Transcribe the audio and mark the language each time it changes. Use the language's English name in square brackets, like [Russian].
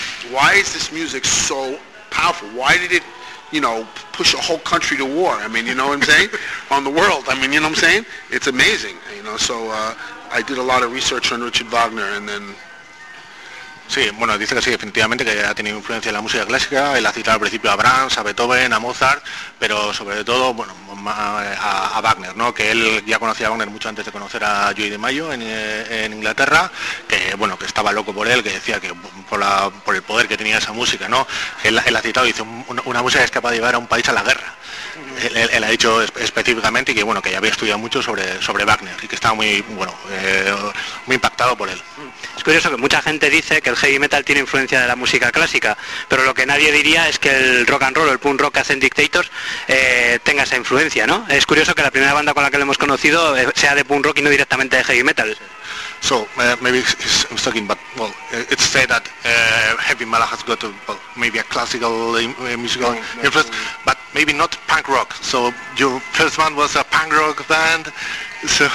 [English] Why is this music so powerful? Why did it, you know, push a whole country to war? I mean, you know what I'm saying? On the world, I mean, you know what I'm saying? It's amazing, you know, so... I did a lot of research on Richard Wagner, and then... [Spanish] Sí, bueno, dice que sí, efectivamente, que ha tenido influencia en la música clásica, él ha citado al principio a Brahms, a Beethoven, a Mozart, pero sobre todo, bueno, a Wagner, ¿no? Que él ya conocía a Wagner mucho antes de conocer a Joey DeMaio en Inglaterra, que, bueno, que estaba loco por él, que decía que por el poder que tenía esa música, ¿no? Él ha citado, dice, una música que es capaz de llevar a un país a la guerra. Él ha dicho específicamente que, bueno, que ya había estudiado mucho sobre Wagner y que estaba muy, bueno, muy impactado por él. Es curioso que mucha gente dice que el heavy metal tiene influencia de la música clásica, pero lo que nadie diría es que el rock and roll, el punk rock que hacen Dictators, tenga esa influencia, ¿no? Es curioso que la primera banda con la que lo hemos conocido sea de punk rock y no directamente de heavy metal. [English] So, maybe I'm talking, but, well, it's said that heavy metal has got maybe a classical musical influence, but maybe not punk rock. So, your first band was a punk rock band, so...